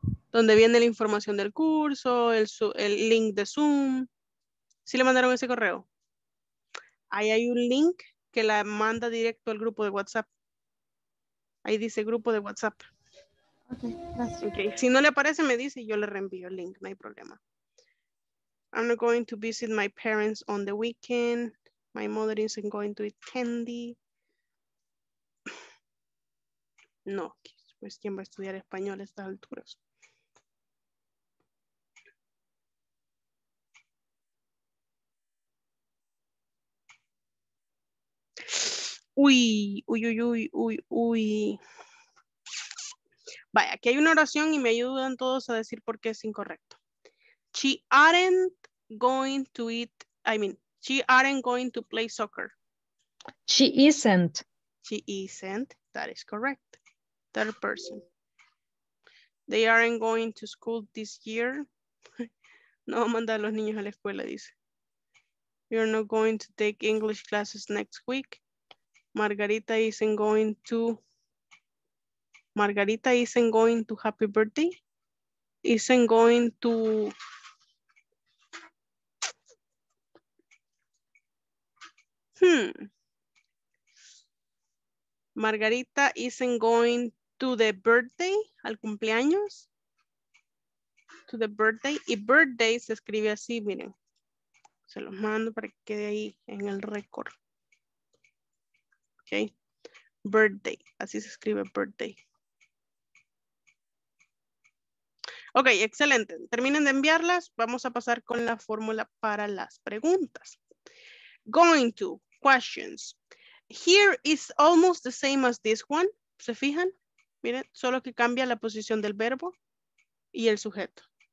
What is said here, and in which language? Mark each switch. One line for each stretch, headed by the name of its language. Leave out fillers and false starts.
Spanish: Donde viene la información del curso, el link de Zoom. ¿Sí le mandaron ese correo? Ahí hay un link que la manda directo al grupo de WhatsApp. Ahí dice grupo de WhatsApp. Ok, gracias. Okay. Si no le aparece, me dice y yo le reenvío el link, no hay problema.
English: I'm not going to visit my parents on the weekend. My mother isn't going to eat candy.
Spanish: No, pues quién va a estudiar español a estas alturas. Uy. Vaya, aquí hay una oración y me ayudan todos a decir por qué es incorrecto.
English: She aren't going to eat, I mean, she aren't going to play soccer. She isn't. She isn't, that is correct. Third person. They aren't going to school this year.
Spanish: No mandar a los niños a la escuela, dice.
English: You're not going to take English classes next week. Margarita isn't going to happy birthday. Isn't going to. Margarita isn't going to the birthday,
Spanish: al cumpleaños.
English: To the birthday.
Spanish: Y birthday se escribe así, miren. Se los mando para que quede ahí en el récord. Okay. Birthday. Así se escribe birthday. Ok, excelente. Terminen de enviarlas. Vamos a pasar con la fórmula para las preguntas.
English: Going to questions. Here is almost the same as this one.
Spanish: ¿Se fijan? Miren, solo que cambia la posición del verbo y el sujeto.